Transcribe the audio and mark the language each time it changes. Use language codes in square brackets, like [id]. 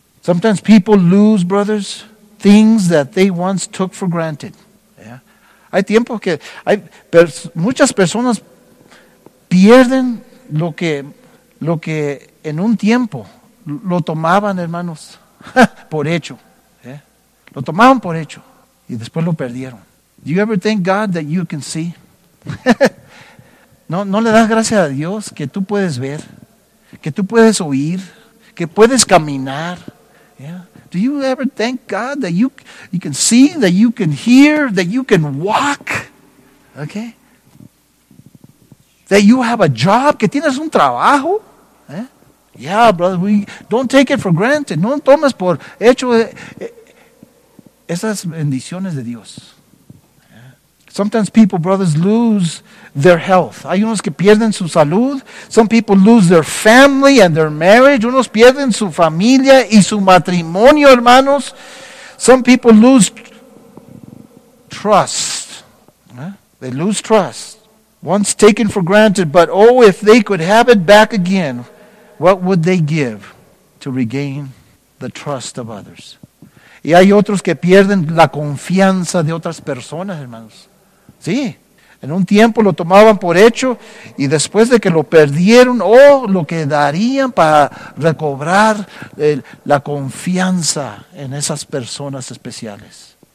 [en] Sometimes people lose, brothers, things that they once took for granted. Yeah? [es] Hay tiempos que muchas personas pierden lo que en un tiempo lo tomaban, hermanos, por hecho. [en] Yeah? [es] Lo tomaban por hecho y después lo perdieron. [en] Do you ever thank God that you can see? [es] ¿No le das gracias a Dios que tú puedes ver, que tú puedes oír, que puedes caminar? [en] Yeah. Do you ever thank God that you can see, that you can hear, that you can walk? Okay. That you have a job, [es] que tienes un trabajo? [en] Yeah, yeah, brother, we don't take it for granted. [es] No tomas por hecho esas bendiciones de Dios. [en] Sometimes people, brothers, lose their health. [es] Hay unos que pierden su salud. [en] Some people lose their family and their marriage. [es] Unos pierden su familia y su matrimonio, hermanos. [en] Some people lose trust. Huh? They lose trust. Once taken for granted, but oh, if they could have it back again, what would they give to regain the trust of others? [es] Y hay otros que pierden la confianza de otras personas, hermanos. Sí, en un tiempo lo tomaban por hecho y después de que lo perdieron, oh, lo que darían para recobrar la confianza en esas personas especiales.